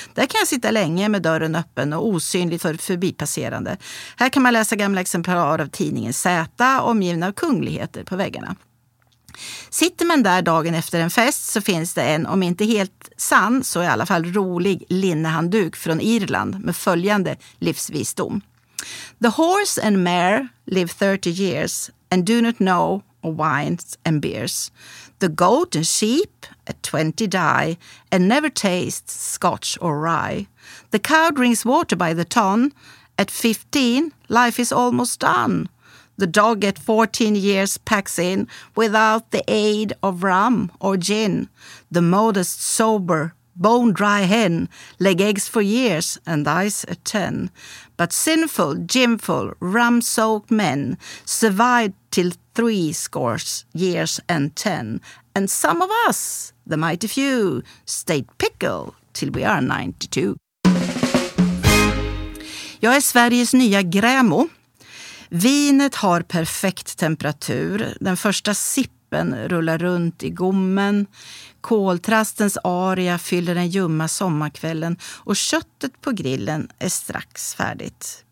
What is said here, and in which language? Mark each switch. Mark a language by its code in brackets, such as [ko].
[sv] Där kan jag sitta länge med dörren öppen och osynligt för förbipasserande. Här kan man läsa gamla exemplar av tidningen Zäta omgivna av kungligheter på väggarna. Sitter man där dagen efter en fest så finns det en, om inte helt sann, så i alla fall rolig linnehandduk från Irland med följande livsvisdom. [en] The horse and mare live 30 years and do not know wines and beers. The goat and sheep at 20 die and never taste scotch or rye. The cow drinks water by the ton. At 15, life is almost done. The dog at 14 years packs in without the aid of rum or gin. The modest, sober, bone dry hen lay eggs for years and dies at 10. But sinful, ginful, rum soaked men survived till 3 score years and 10. And some of us, the mighty few, stayed pickle till we are 92. [sv] Jag är Sveriges nya grämo. Vinet har perfekt temperatur. Den första sippen rullar runt i gommen. Koltrastens aria fyller den ljumma sommarkvällen. Och köttet på grillen är strax färdigt.